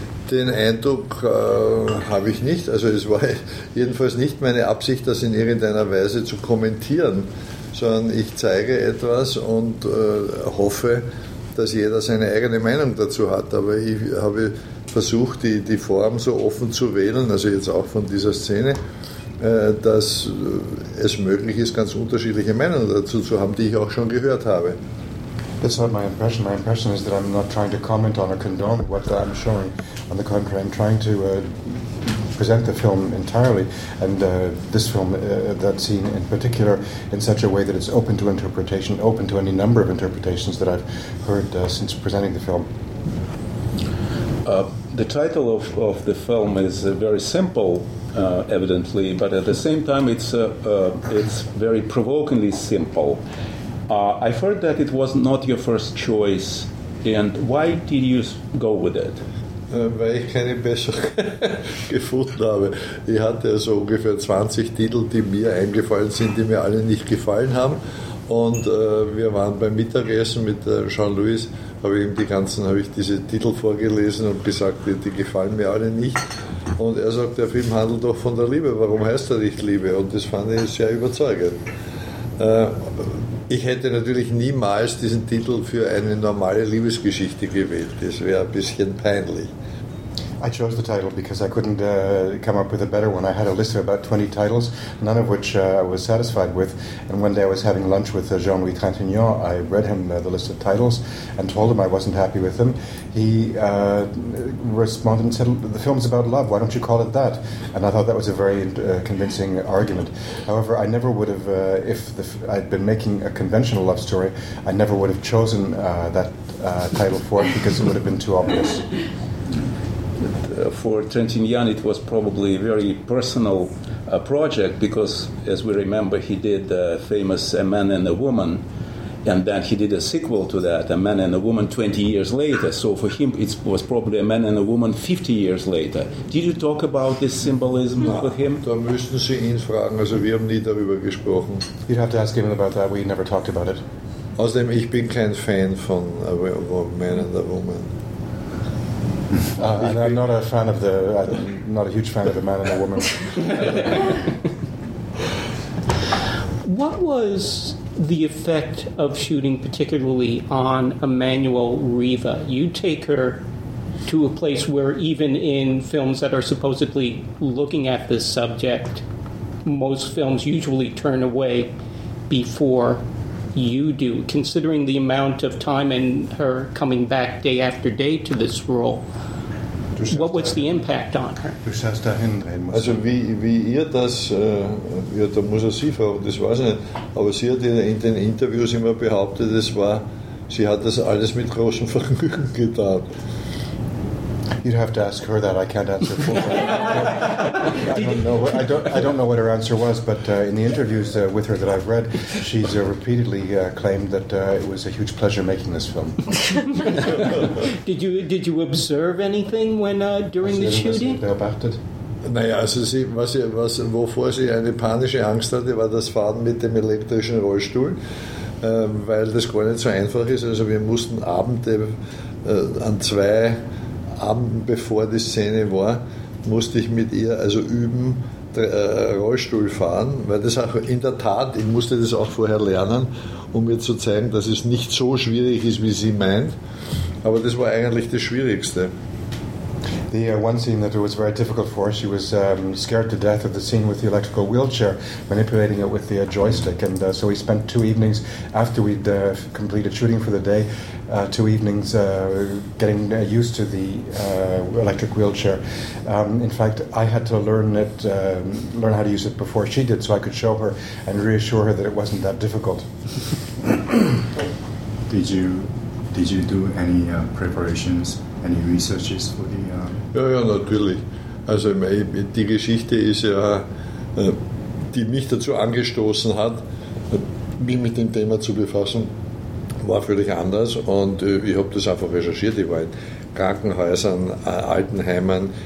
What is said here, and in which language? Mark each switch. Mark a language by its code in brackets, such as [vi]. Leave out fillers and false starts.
[de] Den Eindruck habe ich nicht. Also es war jedenfalls nicht meine Absicht, das in irgendeiner Weise zu kommentieren, sondern ich zeige etwas und hoffe, dass jeder seine eigene Meinung dazu hat. Aber ich habe versucht, die Form so offen zu wählen, also jetzt auch von dieser Szene, dass es möglich ist, ganz unterschiedliche Meinungen dazu zu haben, die ich auch schon gehört habe. [en] That's not my impression. My impression is that I'm not trying to comment on or condone what I'm showing. On the contrary, I'm trying to present the film entirely, and this film, that scene in particular, in such a way that it's open to interpretation, open to any number of interpretations that I've heard since presenting the film. The title of the film is very simple, evidently, but at the same time it's very provokingly simple. I've heard that it was not your first choice, and why did you go with it? [de] Weil ich keine bessere gefunden habe. Ich hatte so also ungefähr 20 Titel, die mir eingefallen sind, die mir alle nicht gefallen haben. Und wir waren beim Mittagessen mit Jean-Louis, habe ich diese Titel vorgelesen und gesagt, die gefallen mir alle nicht. Und er sagt, der Film handelt doch von der Liebe, warum heißt er nicht Liebe? Und das fand ich sehr überzeugend. Ich hätte natürlich niemals diesen Titel für eine normale Liebesgeschichte gewählt. Das wäre ein bisschen peinlich. [en] I chose the title because I couldn't come up with a better one. I had a list of about 20 titles, none of which I was satisfied with. And one day I was having lunch with Jean-Louis Trintignant. I read him the list of titles and told him I wasn't happy with them. He responded and said, the film's about love, why don't you call it that? And I thought that was a very convincing argument. However, I never would have, I'd been making a conventional love story, I never would have chosen that title for it because it would have been too obvious. For Trintignant, it was probably a very personal project because, as we remember, he did the famous A Man and a Woman, and then he did a sequel to that, A Man and a Woman, 20 years later. So for him, it was probably A Man and a Woman 50 years later. Did you talk about this symbolism with him? [de] Da müssen Sie ihn fragen. Also wir haben nie darüber gesprochen. [en] You'd have to ask him about that. We never talked about it. [de] Außerdem, ich bin kein Fan von Man and the Woman. [en] I'm not a huge fan of the Man and the Woman. What was the effect of shooting particularly on Emmanuel Riva? You take her to a place where even in films that are supposedly looking at this subject, most films usually turn away before you do. Considering the amount of time and her coming back day after day to this role, what was the impact on her? [de] Du schaust dahin. Also wie ihr das, ja, da muss er sie fragen, das weiß ich nicht. Aber sie hat in den Interviews immer behauptet, sie hat das alles mit großem Vergnügen getan. [en] You'd have to ask her that. I can't answer for that. I don't know what her answer was, but in the interviews with her that I've read, she's repeatedly claimed that it was a huge pleasure making this film. Did you observe anything when during the shooting? [de] Beobachtet? Naja, also sie, wovor sie eine panische Angst hatte, war das Fahren mit dem elektrischen Rollstuhl, weil das gar nicht so einfach ist. Also wir mussten Abende an zwei Abend bevor die Szene war, musste ich mit ihr also üben, Rollstuhl fahren, weil das auch in der Tat, ich musste das auch vorher lernen, um mir zu zeigen, dass es nicht so schwierig ist, wie sie meint, aber das war eigentlich das Schwierigste. [en] The one scene that was very difficult for her, she was scared to death of the scene with the electrical wheelchair, manipulating it with the joystick, and so we spent two evenings after we'd completed shooting for the day, two evenings getting used to the electric wheelchair. In fact, I had to learn how to use it before she did, so I could show her and reassure her that it wasn't that difficult. Did you do any preparations? Any researches for the... [de] Ja, natürlich. Also die Geschichte ist ja, die mich dazu angestoßen hat, mich mit dem Thema zu befassen, war völlig anders. Und ich habe das einfach recherchiert. Ich war in Krankenhäusern, Altenheimen.